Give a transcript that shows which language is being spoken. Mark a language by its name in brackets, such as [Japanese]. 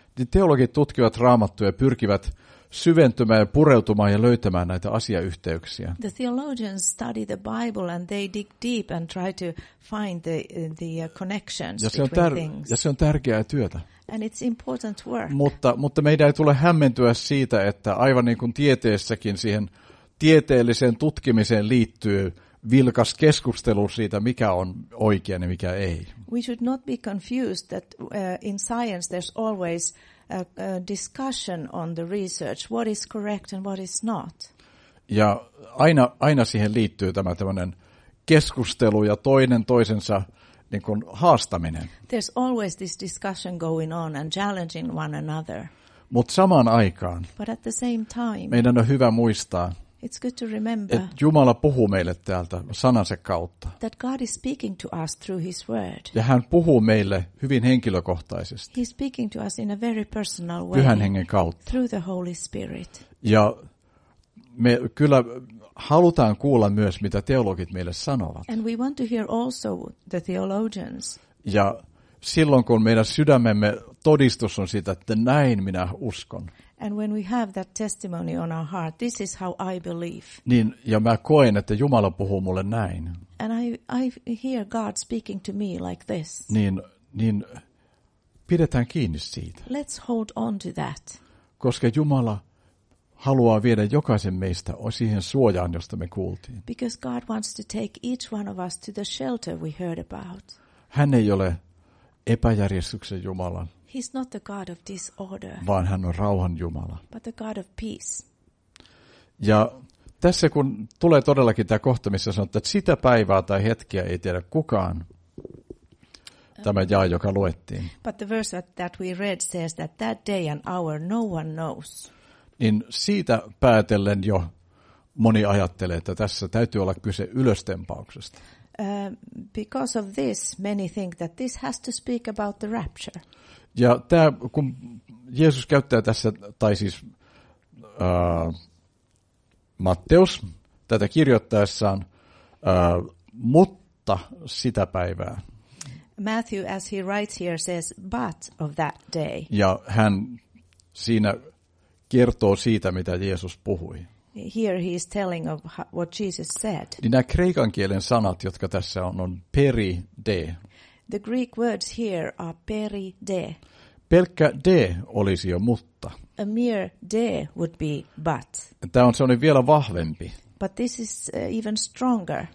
[Finnish] Teologit tutkivat Raamattua ja pyrkivät syventymään ja pureutumaan ja löytämään näitä asiayhteyksiä. [English] The theologians study the Bible and they dig deep and try to find the connections between things. [Finnish] Ja se on tärkeää työtä. [English] And it's important work. [Finnish] Mutta meidän ei tule hämmentyä siitä, että aivan niin kuin tieteessäkin siihen tieteelliseen tutkimiseen liittyy vilkas keskustelu siitä, mikä on oikein ja mikä ei. [English] We should not be confused that in science there's always a discussion on the research, what is correct and what is not. [Finnish] Ja aina siihen liittyy tämä tämmöinen keskustelu ja toinen toisensa niin kuin haastaminen. [English] There's always this discussion going on and challenging one another. [Finnish] Mutta samaan aikaan, [English] but at the same time, [Finnish] meidän on hyvä muistaa, [English] it's good to remember, [Finnish] että Jumala puhuu meille täältä sanansa kautta. [English] That God is speaking to us through his word. [Finnish] Ja hän puhuu meille hyvin henkilökohtaisesti. [English] He's speaking to us in a very personal way. [Finnish] Pyhän Hengen kautta. [English] Through the Holy Spirit. [Finnish] Ja me kyllä halutaan kuulla myös, mitä teologit meille sanovat. [English] And we want to hear also the theologians. [Finnish] Ja silloin, kun meidän sydämemme todistus on siitä, että näin minä uskon. [English] And when we have that testimony on our heart, this is how I believe. [Finnish] Niin, ja mä koen, että Jumala puhuu mulle näin. [English] And I hear God speaking to me like this. [Finnish] Niin, pidetään kiinni siitä. [English] Let's hold on to that. [Finnish] Koska Jumala haluaa viedä jokaisen meistä siihen suojaan, josta me kuultiin. [English] Because God wants to take each one of us to the shelter we heard about. [Finnish] Hän ei ole epäjärjestyksen Jumalan. [English] He's not the God of disorder. [Finnish] Vaan hän on rauhan Jumala. [English] But the God of peace. [Finnish] Ja tässä kun tulee todellakin tämä kohta, missä sanotaan, että sitä päivää tai hetkiä ei tiedä kukaan, tämä jaa, joka luettiin. [English] But the verse that we read says that that day and hour no one knows. [Finnish] Niin siitä päätellen jo moni ajattelee, että tässä täytyy olla kyse ylöstempauksesta. [English] Because of this, many think that this has to speak about the rapture. [Finnish] Ja tämä, kun Jeesus käyttää tässä, tai siis Matteus tätä kirjoittaessaan, mutta sitä päivää. [English] Matthew, as he writes here, says, but of that day. [Finnish] Ja hän siinä kertoo siitä, mitä Jeesus puhui. [English] Here he is telling of what Jesus said. [Finnish] Niin nämä kreikan kielen sanat, jotka tässä on peri de. [English] The Greek words here are peri de. [Finnish] Pelkkä de olisi jo mutta. [English] A mere de would be but. [Finnish] Tämä on sellainen vielä vahvempi. [English] But this is even stronger.